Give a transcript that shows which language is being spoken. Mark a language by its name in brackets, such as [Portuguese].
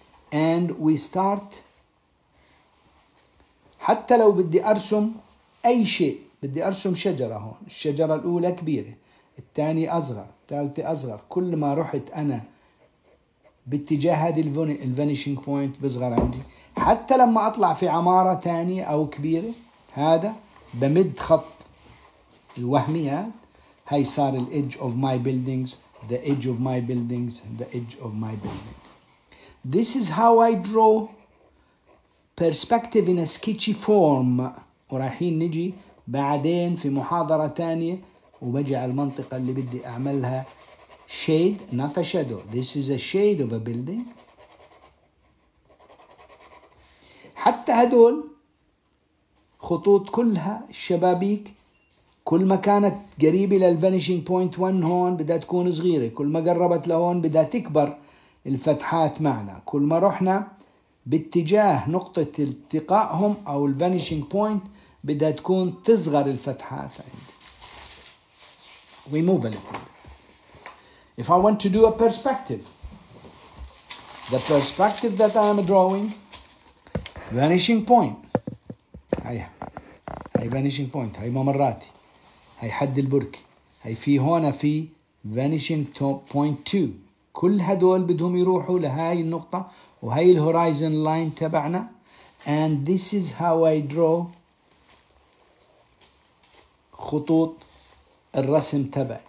[English] And we start, [Arabic] حتى لو بدي أرسم أي شيء, بدي أرسم شجرة هون, الشجرة الأولى كبيرة, الثانية أصغر, الثالثة أصغر, كل ما رحت أنا باتجاه هذه الفانيشينج بوينت بصغر عندي. حتى لما أطلع في عمارة ثانية أو كبيرة, هذا بمد خط الوهميات, هاي صار [English] الإج of my buildings, the edge of my buildings, the edge of my building. This is how I draw perspective in a sketchy form. [Arabic] ورايحين نجي بعدين في محاضرة ثانية وبجي على المنطقة اللي بدي أعملها shade, [English] not a shadow. This is a shade of a building. [Arabic] حتى هدول خطوط كلها الشبابيك, كل ما كانت قريبة للفانيشينج بوينت 1 هون بدها تكون صغيرة, كل ما قربت لهون بدها تكبر الفتحات معنا. كل ما رحنا باتجاه نقطة التقائهم أو الفانيشينج بوينت بدها تكون تصغر الفتحات عندي. [English] We move a little bit. If I want to do a perspective, the perspective that I am drawing, vanishing point. [Arabic] هاي هاي vanishing point, هاي ممراتي, هاي حد البركة, هاي في هون في vanishing point two. كل هدول بدهم يروحوا لهاي النقطة وهاي ال horizon line تبعنا. [English] And this is how I draw [Arabic] خطوط الرسم تبعي.